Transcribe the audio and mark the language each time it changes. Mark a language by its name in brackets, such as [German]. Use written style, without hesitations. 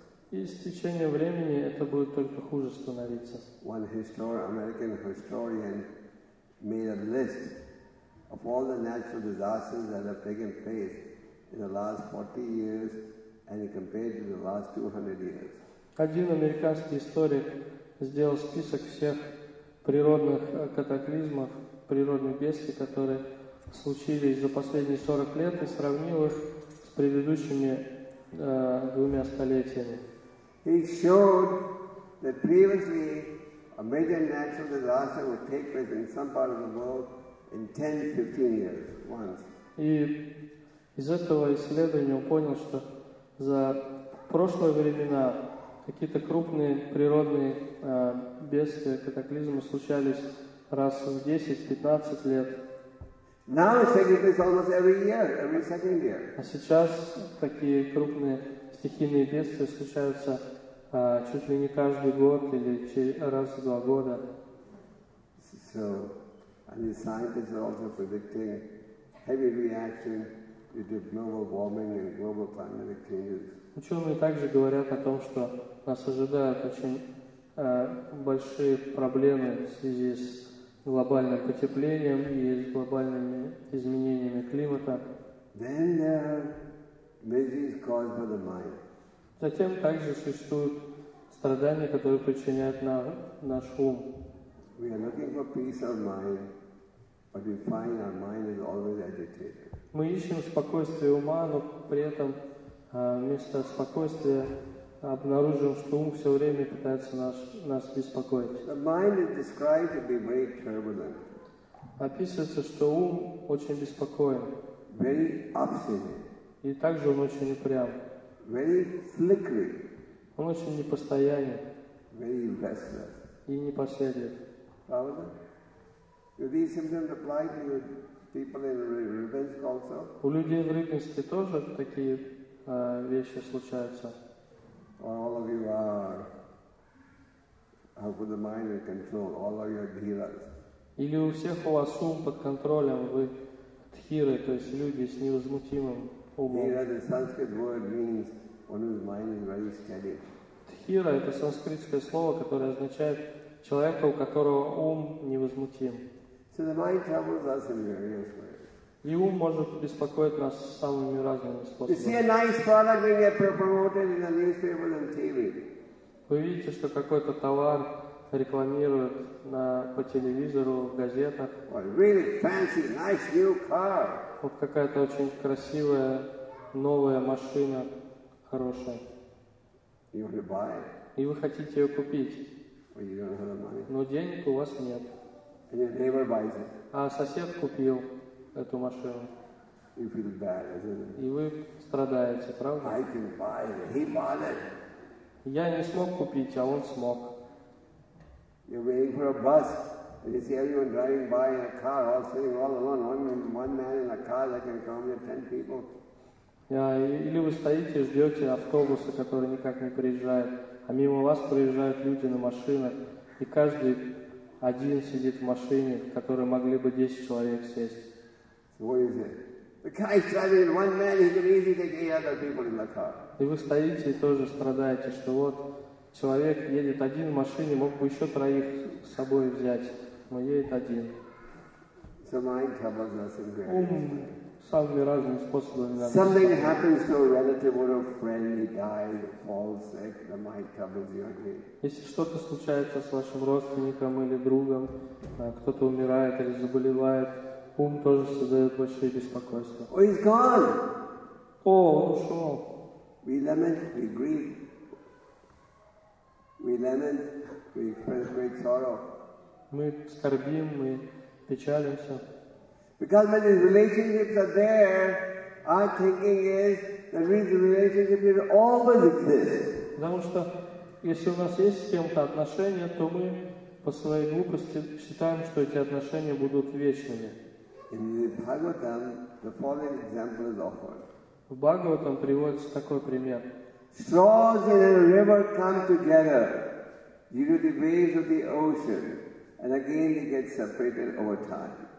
[Russian] И с течением времени это будет только хуже становиться. [English] One American historian made a list of all the natural disasters that have taken place in the last 40 years and he compared it to the last 200 years. [Russian] Один американский историк сделал список всех природных катаклизмов, природных бедствий, которые случились за последние 40 лет, и сравнил их с предыдущими двумя столетиями. [English] He showed that previously a major natural disaster would take place in some part of the world in 10-15 years once. [Russian] И из этого исследования он понял, что за прошлые времена какие-то крупные природные бедствия, катаклизмы случались раз в 10-15 лет. [English] Now it's taking place almost every year, every second year. [Russian] А сейчас такие крупные стихийные бедствия случаются чуть ли не каждый год или раз в два года. [English] So, and the scientists are also predicting heavy reaction due to global warming and global climatic changes. [Russian] Ученые также говорят о том, что нас ожидают очень большие проблемы в связи с глобальным потеплением и с глобальными изменениями климата. [English] Then there are miseries caused by the mind. [Russian] Затем также существуют страдания, которые причиняют наш ум. [English] We are looking for peace of mind, but we find our mind is always agitated. [Russian] Мы ищем спокойствие ума, но при этом вместо спокойствия обнаружил, что ум все время пытается нас беспокоить. [English] The mind is described to be very turbulent. [Russian] Описывается, что ум очень беспокоен. [English] Very obstinate. [Russian] И также он очень упрям. [English] Very flickery. [Russian] Он очень непостоянен. [English] Very restless. [Russian] И непоследлив. Правда? [English] Do these symptoms apply to people in Rybinsk also? [Russian] У людей в Рыбинске тоже такие вещи случаются. [English] All of you are have the mind in control. All of you are dhiras. [Russian] Или у всех у вас ум под контролем, вы дхиры, то есть люди с невозмутимым умом. [English] Dhira, the Sanskrit word means one whose mind is very steady. [Russian] Dhira – это санскритское слово, которое означает человека, у которого ум невозмутим. [English] So the mind troubles us in various ways. [Russian] И ум может беспокоить нас самыми разными способами. [English] You see a nice product being promoted in the newspapers and TV. [Russian] Вы видите, что какой-то товар рекламируют по телевизору, в газетах. [English] Well, really fancy, nice new car. [Russian] Вот какая-то очень красивая новая машина, хорошая. [English] You want to buy it. [Russian] И вы хотите ее купить. [English] Well, you don't have the money. [Russian] Но денег у вас нет. [English] And your neighbor buys it. [Russian] А сосед купил эту машину. [English] You feel bad, isn't it? [Russian] И вы страдаете, правда? [English] I can buy it. He bought it. [Russian] Я не смог купить, а он смог. [English] You're waiting for a bus, and you see everyone driving by in a car, all sitting all alone, one man in a car that can accommodate 10 people. [Russian] Или вы стоите и ждете автобуса, который никак не приезжает, а мимо вас приезжают люди на машинах, И каждый один сидит в машине, в которой могли бы 10 человек сесть. И вы стоите и тоже страдаете, что вот человек едет один в машине, мог бы еще троих с собой взять, но едет один. [English] So mind troubles us in great [Russian] Самыми разными способами. [English] Something happens to a relative or a friend, he dies, falls sick, the mind troubles you again. [Russian] Если что-то случается с вашим родственником или другом, кто-то умирает или заболевает, ум тоже создает большие беспокойства. [English] Oh, he's gone. [Russian] Он ушел. [English] We lament, we grieve. We lament, we express great sorrow. [Russian] Мы скорбим, мы печалимся. [English] Because when these relationships are there, our thinking is that these relationships will always exist. [Russian] Потому что если у нас есть с кем-то отношения, то мы по своей глупости считаем, что эти отношения будут вечными. [English] In the Bhagavatam, the following example is offered. [Russian] В Бхагаватам приводится такой пример. [English] Straws in a river come together due to the waves of the ocean, and again they get separated over time.